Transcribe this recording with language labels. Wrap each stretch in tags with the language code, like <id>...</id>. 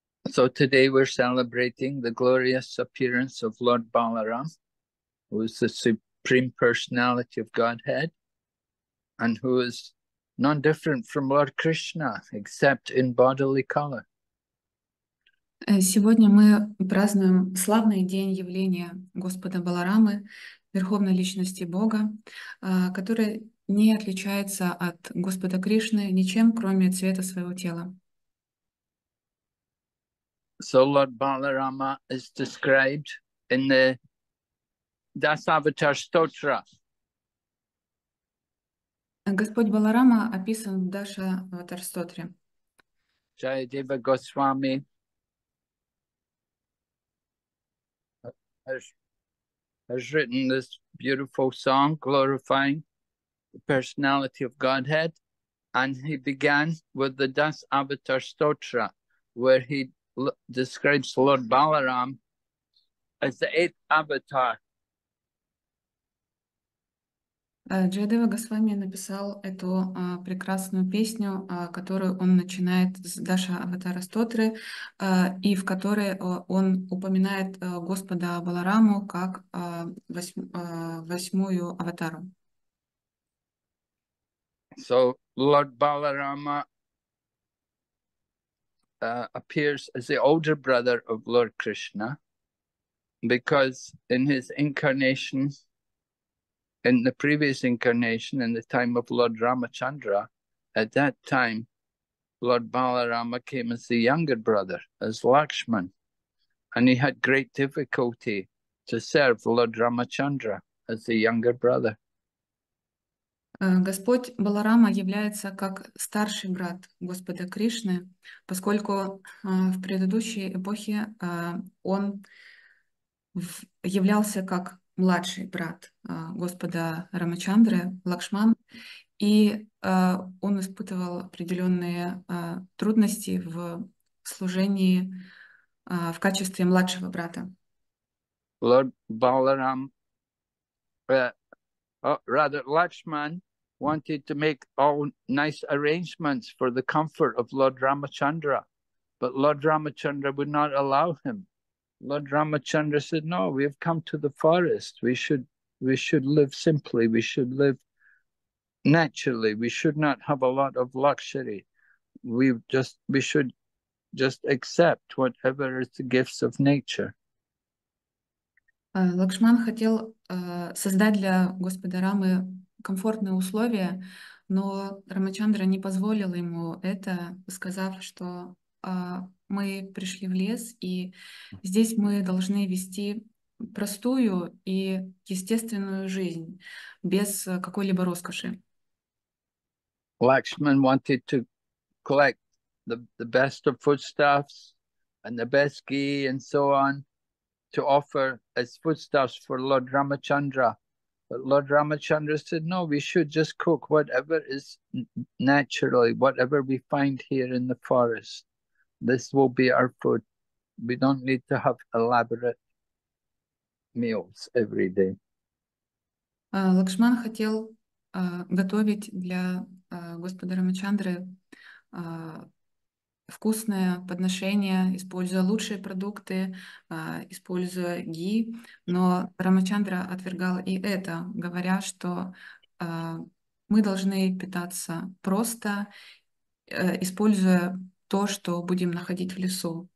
<en>So today we're celebrating the glorious appearance of Lord Balaram, who is the Supreme Personality of Godhead, and who is none different from Lord Krishna, except in bodily color.</en> <ru>Сегодня мы празднуем славный день явления Господа Баларамы, Верховной Личности Бога, который не отличается от Господа Кришны ничем, кроме цвета своего тела.</ru> <en>So Lord Balarama is described in the Dasavatar Stotra.</en> <ru>Господь Баларама описан в Даша Аватарстотре.</ru> <en>Джаядева Госвами has written this beautiful song glorifying the personality of Godhead, and he began with the Das Avatar Stotra, where he describes Lord Balaram as the eighth avatar.</en> <ru>Джайдева Госвами написал эту прекрасную песню, которую он начинает с Даша Аватара Стотры, и в которой он упоминает Господа Балараму как восьмую аватару.</ru> <en>So Lord Balarama appears as the older brother of Lord Krishna, because in his incarnation, in the previous incarnation, in the time of Lord Ramachandra, at that time, Lord Balarama came as the younger brother, as Lakshman, and he had great difficulty to serve Lord Ramachandra as the younger brother.</en> <ru>Господь Баларама является как старший брат Господа Кришны, поскольку в предыдущей эпохе он являлся как младший брат Господа Рамачандры, Лакшман, и он испытывал определенные трудности в служении в качестве младшего брата.</ru> <en>Lord Balaram, rather Lakshman, wanted to make all nice arrangements for the comfort of Lord Ramachandra, but Lord Ramachandra would not allow him. Lord Ramachandra said, no, we have come to the forest. We should live simply. We should live naturally. We should not have a lot of luxury. We should just accept whatever is the gifts of nature.</en> <ru>Лакшман хотел создать для Господа Рамы комфортные условия, но Рамачандра не позволил ему это, сказав, что мы пришли в лес, и здесь мы должны вести простую и естественную жизнь без какой-либо роскоши.</ru> <en>Lakshman wanted to collect the best of foodstuffs and the best ghee and so on to offer as foodstuffs for Lord Ramachandra. But Lord Ramachandra said, no, we should just cook whatever is naturally, whatever we find here in the forest. This will be our food. We don't need to have elaborate meals every day.</en> <ru>Лакшман хотел готовить для Господа Рамачандры вкусное подношение, используя лучшие продукты, используя ги. Но Рамачандра отвергал и это, говоря, что мы должны питаться просто, используя то, что будем находить в лесу.</ru>